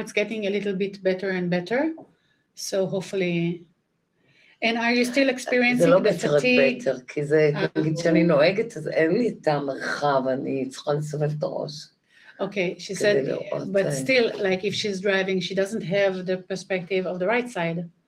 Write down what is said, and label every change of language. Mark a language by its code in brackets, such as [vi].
[en] It's getting a little bit better and better, so hopefully. And are you still experiencing the fatigue? [he] זה לא בטר, כי זה נגיד שאני נוהגת, אז אין לי את המרחב, אני צריכה לסובב את הראש. [en] Okay, she said, but still, like if she's driving, she doesn't have the perspective of the right side.